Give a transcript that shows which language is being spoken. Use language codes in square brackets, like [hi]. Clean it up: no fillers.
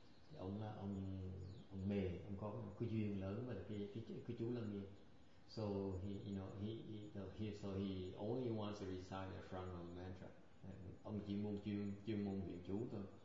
[vi] Thì ông mê, ông có cái duyên lớn với cái chú Lâm Nghiêm. [en] So he only wants to recite the Shranava mantra. [vi] Ông chỉ muốn chuyên môn niệm chú thôi.